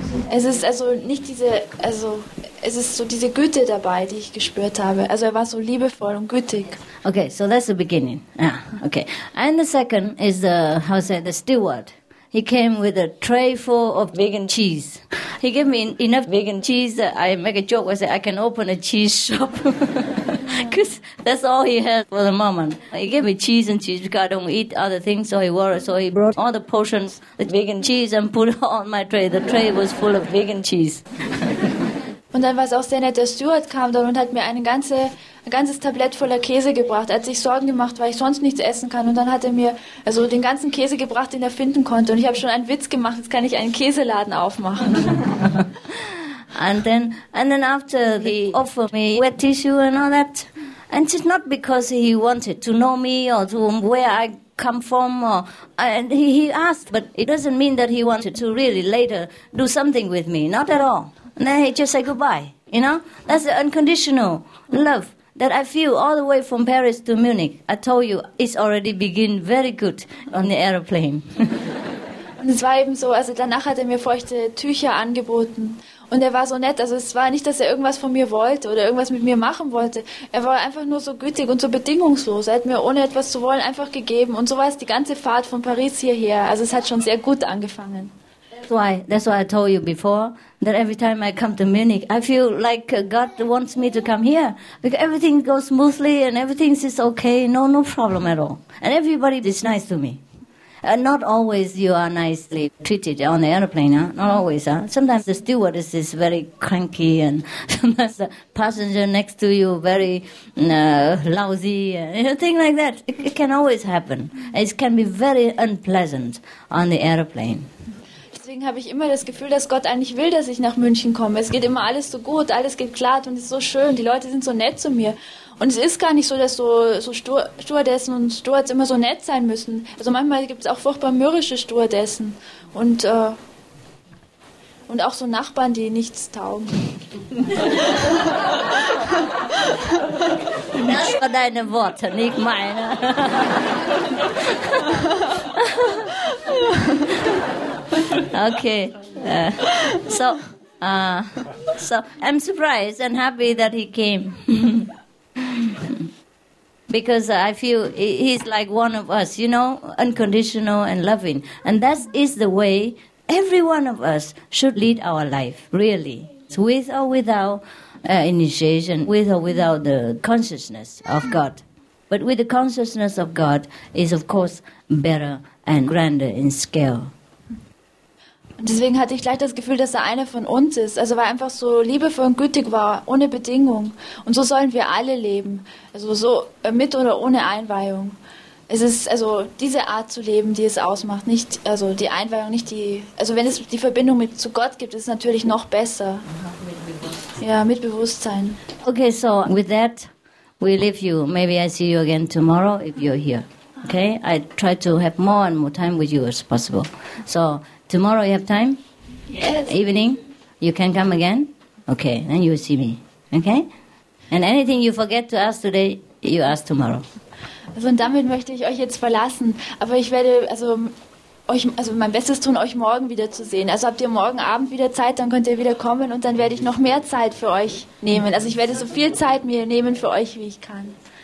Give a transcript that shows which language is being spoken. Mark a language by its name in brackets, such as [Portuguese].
[German] Es ist also nicht diese, also es ist so diese Güte dabei, die ich gespürt habe. Also er war so liebevoll und gütig. [English] Okay, so that's the beginning. Yeah, okay. And the second is the, how say, the steward. He came with a tray full of vegan cheese. He gave me enough vegan cheese that I make a joke. I say I can open a cheese shop. Because that's all he had for the moment. He gave me cheese and cheese because I don't eat other things, so he brought all the portions of vegan cheese and put it on my tray. The tray was full of vegan cheese. [German] Und dann war es auch sehr nett, der Steward kam dann und hat mir ein ganzes Tablett voller Käse gebracht. Er hat sich Sorgen gemacht, weil ich sonst nichts essen kann. Und dann hat er mir also den ganzen Käse gebracht, den er finden konnte. Und ich habe schon einen Witz gemacht, jetzt kann ich einen Käseladen aufmachen. [English] And then after he offered me wet tissue and all that, and it's not because he wanted to know me or to where I come from, or, and he asked, but it doesn't mean that he wanted to really later do something with me, not at all. And then he just said goodbye, you know? That's the unconditional love that I feel all the way from Paris to Munich. I told you, it's already begin very good on the aeroplane. [German] Und es war eben so, also danach hat er mir feuchte Tücher angeboten. Und er war so nett, also es war nicht, dass er irgendwas von mir wollte oder irgendwas mit mir machen wollte. Er war einfach nur so gütig und so bedingungslos. Er hat mir, ohne etwas zu wollen, einfach gegeben. Und so war es die ganze Fahrt von Paris hierher. Also es hat schon sehr gut angefangen. [English] That's why I told you before, that every time I come to Munich, I feel like God wants me to come here. Because everything goes smoothly and everything is okay, no problem at all. And everybody is nice to me. Not always you are nicely treated on the airplane, huh? Not always. Huh? Sometimes the stewardess is very cranky and sometimes the passenger next to you very lousy, things like that. It can always happen. It can be very unpleasant on the airplane. [German] Deswegen habe ich immer das Gefühl, dass Gott eigentlich will, dass ich nach München komme. Es geht immer alles so gut, alles geht glatt und es ist so schön. Die Leute sind so nett zu mir. Und es ist gar nicht so, dass so Stewardessen und Stewards immer so nett sein müssen. Also manchmal gibt es auch furchtbar mürrische Stewardessen und auch so Nachbarn, die nichts taugen. Das war deine Worte, nicht meine. [English] Okay. So I'm surprised and happy that he came. Because I feel he's like one of us, you know, unconditional and loving. And that is the way every one of us should lead our life, really. It's with or without initiation, with or without the consciousness of God. But with the consciousness of God is, of course, better and grander in scale. [German] Deswegen hatte ich gleich das Gefühl, dass er einer von uns ist. Also weil er einfach so liebevoll und gütig war, ohne Bedingung. Und so sollen wir alle leben. Also so mit oder ohne Einweihung. Es ist also diese Art zu leben, die es ausmacht. Nicht also die Einweihung, nicht die. Also wenn es die Verbindung mit zu Gott gibt, ist es natürlich noch besser. Ja, mit Bewusstsein. [English] Okay, so with that, we leave you. Maybe I see you again tomorrow if you're here. Okay, I try to have more and more time with you as possible. So. Tomorrow you have time? Yes. Evening? You can come again? Okay, then you see me. Okay? And anything you forget to ask today, you ask tomorrow. [German] Also und damit möchte ich euch jetzt verlassen. Aber ich werde also euch also mein Bestes tun, euch morgen wieder zu sehen. Also habt ihr morgen Abend wieder Zeit, dann könnt ihr wieder kommen und dann werde ich noch mehr Zeit für euch nehmen. Also ich werde so viel Zeit mir nehmen für euch, wie ich kann.